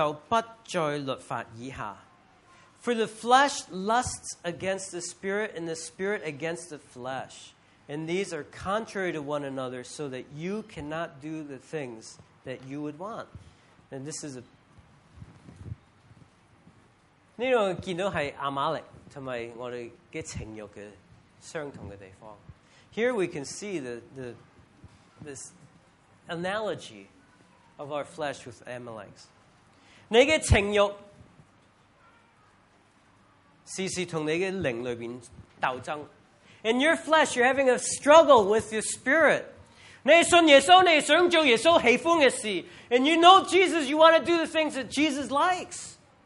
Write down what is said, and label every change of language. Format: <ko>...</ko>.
<en>For the flesh lusts against the spirit, and the spirit against the flesh. And these are contrary to one another, so that you cannot do the things that you would want. And this is a.</en> <zh>这个看到是阿玛力和我们的情欲的相同的地方.</zh> <en>Here we can see this analogy of our flesh with Amalekites.</en> <zh>你的情欲时时和你的灵里面斗争.</zh> <en>In your flesh, you're having a struggle with your spirit.</en> <zh>你信耶稣,你想做耶稣喜欢的事,</zh> <en>and you know Jesus, you want to do the things that Jesus likes.</en>